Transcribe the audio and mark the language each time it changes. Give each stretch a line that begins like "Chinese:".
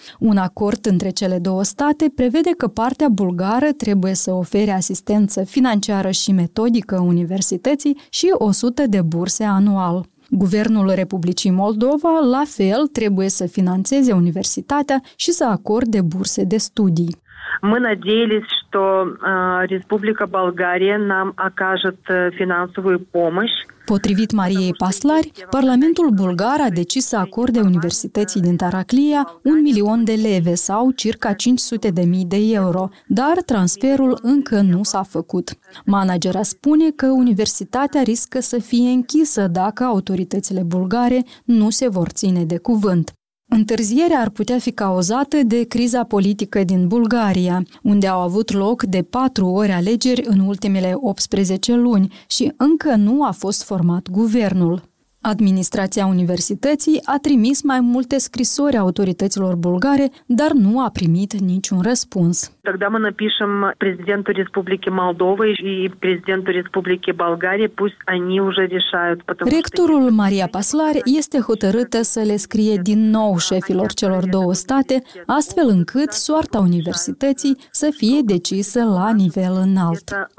Romanian: Un acord între cele două state prevede că partea bulgară trebuie să ofere asistență financiară și metodică universității și 100 de burse anual. Guvernul Republicii Moldova, la fel, trebuie să financeze universitatea și să acorde burse de studii.
Russian: Мы надеялись, что Республика Болгария нам окажет финансовую помощь.
Romanian: Potrivit Mariei Paslari, Parlamentul Bulgar a decis să acorde Universității din Taraclia 1 milion de leve sau circa 500 de mii de euro, dar transferul încă nu s-a făcut. Managera spune că universitatea riscă să fie închisă dacă autoritățile bulgare nu se vor ține de cuvânt. Întârzierea ar putea fi cauzată de criza politică din Bulgaria, unde au avut loc de 4 ori alegeri în ultimele 18 luni și încă nu a fost format guvernul. Administrația universității a trimis mai multe scrisori autorităților bulgare, dar nu a primit niciun răspuns.
Russian: Тогда мы напишем президенту Республики Молдова и президенту Республики Болгария, пусть они уже решают.
Romanian: Ректорul Maria Paslar este hotărâtă să le scrie din nou șefilor celor două state, astfel încât soarta universității să fie decisă la nivel înalt.